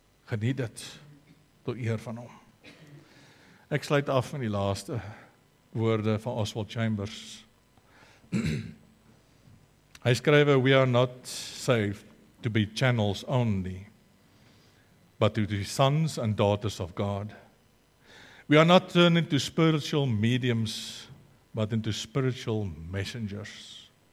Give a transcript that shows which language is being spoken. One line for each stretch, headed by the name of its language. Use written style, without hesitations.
Afrikaans: Geniet dit tot eer van hom. Ek sluit af met die laaste woorde van Oswald Chambers. Hy skryf,
English: "We are not saved to be channels only, but to be sons and daughters of God. We are not turned into spiritual mediums, but into spiritual messengers.